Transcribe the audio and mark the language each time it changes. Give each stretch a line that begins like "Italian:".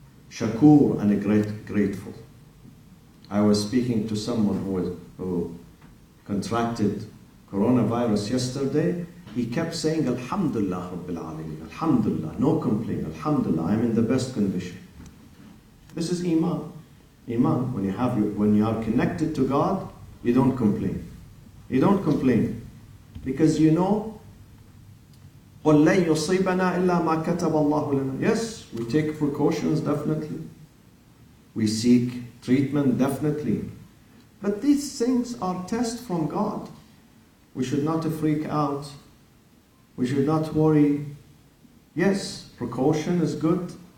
English: Shakur, and grateful. I was speaking to someone who contracted coronavirus yesterday. He kept saying, Alhamdulillah Rabbil Alameen. Alhamdulillah, no complaint. Alhamdulillah, I'm in the best condition. This is Iman. Iman, when you are connected to God, you don't complain. You don't complain. Because you know,
Arabic: قُلْ لَنْ يُصِيبَنَا إِلَّا مَا كَتَبَ اللَّهُ لَنَا.
English: Yes, we take precautions, definitely. We seek treatment, definitely. But these things are tests from God. We should not freak out. We should not worry. Yes, precaution is good.